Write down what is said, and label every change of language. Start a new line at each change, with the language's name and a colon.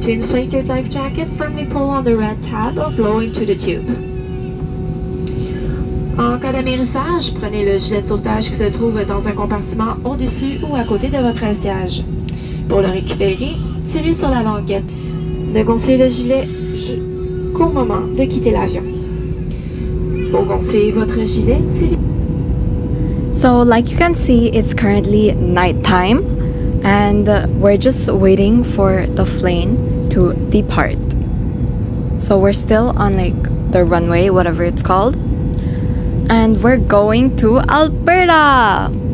English: To inflate your life jacket, firmly pull on the red tab or blow into the tube.
French: En cas d'amerrissage, prenez le gilet de sauvetage qui se trouve dans un compartiment au-dessus ou à côté de votre siège. Pour le récupérer, tirez sur la languette. Ne gonflez le gilet qu'au moment de quitter l'avion. Pour gonfler votre gilet, tirez.
English: So, like you can see, it's currently night time. And we're just waiting for the plane to depart. So we're still on like the runway, whatever it's called. And we're going to Alberta.